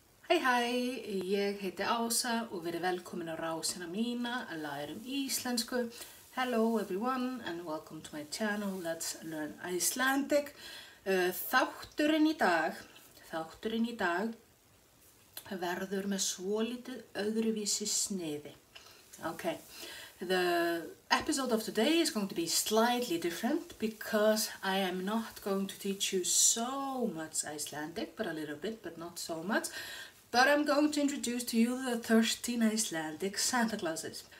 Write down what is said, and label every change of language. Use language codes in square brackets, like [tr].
[is] Hæ, ég heiti Ása og verið velkomin á rásina mína að læra íslensku. [en] Hello everyone and welcome to my channel, let's learn Icelandic. [is] Þátturinn í dag verður með svolítið öðruvísi sniði. [en] Okay, the episode of today is going to be slightly different because I am not going to teach you so much Icelandic, but a little bit, but not so much. But I'm going to introduce to you the 13 Icelandic Santa Clauses.